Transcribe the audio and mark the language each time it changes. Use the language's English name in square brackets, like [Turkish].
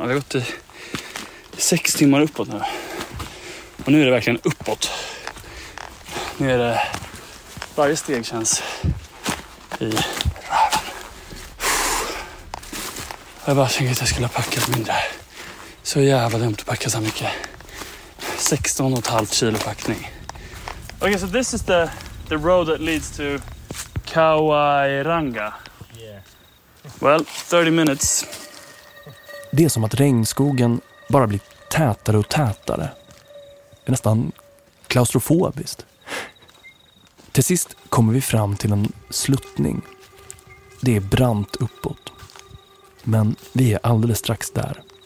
[Swedish] Vi har gått i 6 timmar uppåt nu. Och nu är det verkligen uppåt. Nu är det... Varje steg känns i... Jag bara tänkte att jag skulle ha packat mindre Så jävla dumt att packa så mycket. 16,5 kilo packning. [English] Okay, so this is the road that leads to Kawairanga. Yeah. Well, 30 minutes. [Swedish] Det är som att regnskogen bara blir tätare och tätare. Det är nästan klaustrofobiskt. Till sist kommer vi fram till en sluttning. Det är brant uppåt. Men vi är alldeles strax där.